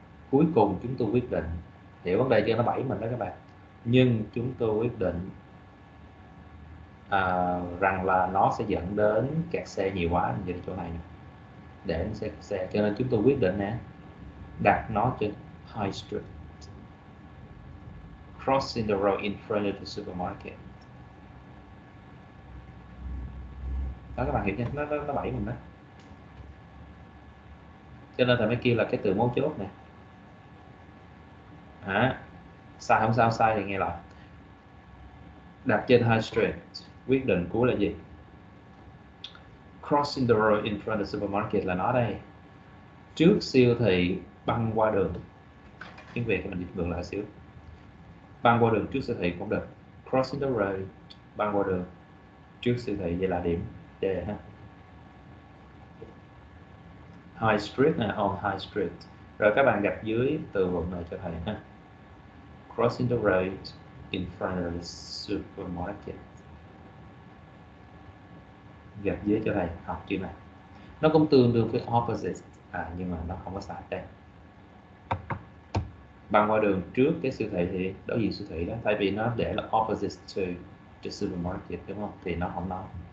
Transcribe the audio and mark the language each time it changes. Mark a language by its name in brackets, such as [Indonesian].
[Vietnamese] Cuối cùng chúng tôi quyết định, hiểu vấn đề chưa, nó bẫy mình đó các bạn. Nhưng chúng tôi quyết định rằng là nó sẽ dẫn đến kẹt xe nhiều quá như chỗ này. Để nó sẽ kẹt xe, cho nên chúng tôi quyết định nè, đặt nó trên High Street. [English] Crossing the road in front of the supermarket. [Vietnamese] Đó các bạn hiểu nha, nó bẫy mình đó. Cho nên thầy mới kêu là cái từ mấu chốt nè. Hả? Sai không sao, sai thì nghe lại. Đặt trên High Street, quyết định cuối là gì? [English] Crossing the road in front of the supermarket [Vietnamese] là nó đây. Trước siêu thị băng qua đường. Tiếng Việt mình dịch ngược lại xíu. băng qua đường trước siêu thị cũng được. [English] Crossing the road, [Vietnamese] băng qua đường trước siêu thị, vậy là điểm D ha. High Street nè, on High Street. Rồi các bạn gạch dưới từ vựng này cho thầy ha. [English] Crossing the road in front of the supermarket. [Vietnamese] Gạch dưới cho thầy, học chữ này. Nó cũng tương đương với opposite, à, nhưng mà nó không có sai đây. Băng qua đường trước cái siêu thị thì đối diện siêu thị đó, tại vì nó để là [English] opposite to the supermarket [Vietnamese] đúng không? Thì nó không nói.